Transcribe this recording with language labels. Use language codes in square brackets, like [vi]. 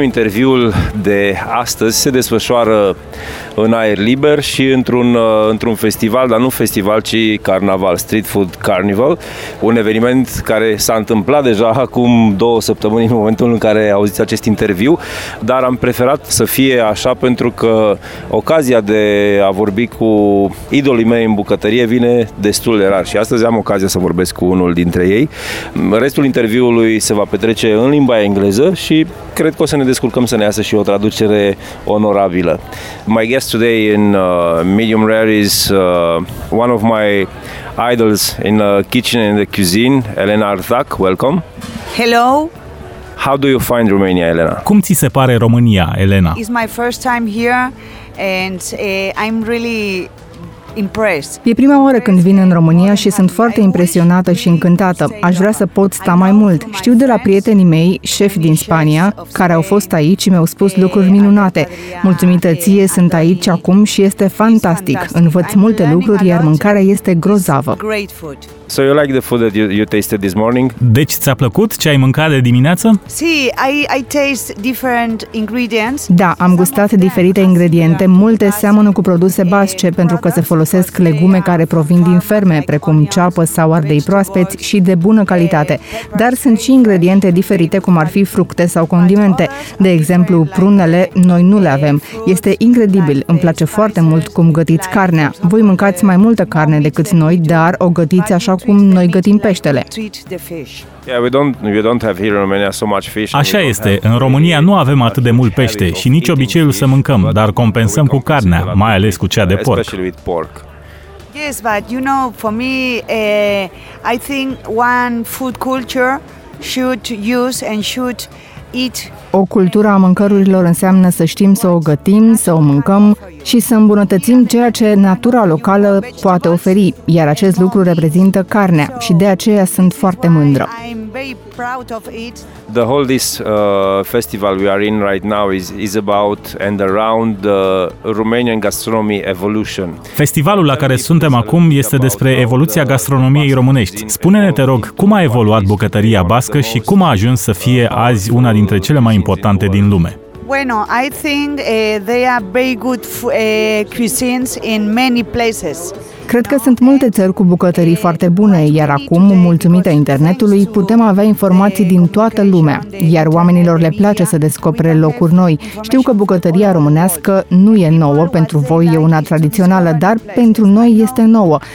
[ro] Interviul de astăzi se desfășoară în aer liber și într-un festival, dar nu festival, ci carnaval, Street Food Carnival, un eveniment care s-a întâmplat deja acum 2 săptămâni în momentul în care auziți acest interviu, dar am preferat să fie așa pentru că ocazia de a vorbi cu idolii mei în bucătărie vine destul de rar și astăzi am ocazia să vorbesc cu unul dintre ei. Restul interviului se va petrece în limba engleză și cred că o să ne descurcăm să ne iasă și o traducere onorabilă. [en] My guest today in Medium Rare is one of my idols in the kitchen and the cuisine, Elena Artac. Welcome. Hello. How do you find Romania, Elena? [ro] Cum ți se pare România, Elena? [en] It's my first time here and I'm really impressed. [ro] E prima oară când vin în România și sunt foarte impresionată și încântată. Aș vrea să pot sta mai mult. Știu de la prietenii mei, șefi din Spania, care au fost aici și mi-au spus lucruri minunate. Mulțumită ție, sunt aici acum și este fantastic. Învăț multe lucruri, iar mâncarea este grozavă. [en] So you like the food that you tasted this morning? [ro] Deci ți-a plăcut ce ai mâncat de dimineață? [en] I taste different ingredients. [ro] Da, am gustat diferite ingrediente. Multe seamănă cu produse basce pentru că se folosesc legume care provin din ferme, precum ceapă sau ardei proaspeți și de bună calitate. Dar sunt și ingrediente diferite, cum ar fi fructe sau condimente. De exemplu, prunele, noi nu le avem. Este incredibil. Îmi place foarte mult cum gătiți carnea. Voi mâncați mai multă carne decât noi, dar o gătiți așa cum noi gătim peștele. [en] Yeah, we don't have here in Romania so much fish. [ro] Așa este. În România nu avem atât de mult pește și nici obiceiul să mâncăm, dar compensăm cu carnea, mai ales cu cea de porc. [en] Yes, but you know, for me, I think one food culture should use and should eat. [ro] O cultură a mâncărurilor înseamnă să știm să o gătim, să o mâncăm și să îmbunătățim ceea ce natura locală poate oferi, iar acest lucru reprezintă carnea și de aceea sunt foarte mândră. [en] The whole this festival we are in right now is about and around the Romanian gastronomy evolution. [ro] Festivalul la care suntem acum este despre evoluția gastronomiei românești. Spune-ne, te rog, cum a evoluat bucătăria bască și cum a ajuns să fie azi una dintre cele mai importante din lume? [en] Bueno, I think they are very good cuisines in many places. [ro] Cred că sunt multe țări cu bucătării foarte bune, iar acum, mulțumită internetului, putem avea informații din toată lumea, iar oamenilor le place să descopere locuri noi. Știu că bucătăria românească nu e nouă, pentru voi e una tradițională, dar pentru noi este nouă.